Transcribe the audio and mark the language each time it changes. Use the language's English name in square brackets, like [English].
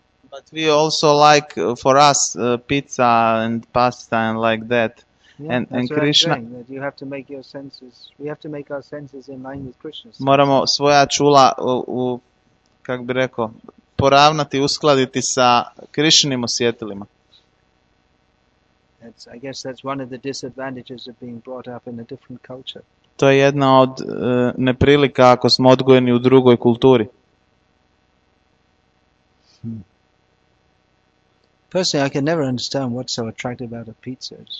[English] But we also like for us pizza and pasta and like that. Yeah, and that's and what Krishna, I'm saying, that you have to make your senses. We have to make our senses in line with Krishna's senses. [Croatian] Moramo svoja čula kak bi rekao. Poravnati, uskladiti sa Krišnim osjetilima. [English] I guess that's one of the disadvantages of being brought up in a different culture. [Croatian] To je jedna od neprilika ako smo odgojeni u drugoj kulturi. [English] Personally, I can never understand what's so attractive about a pizza.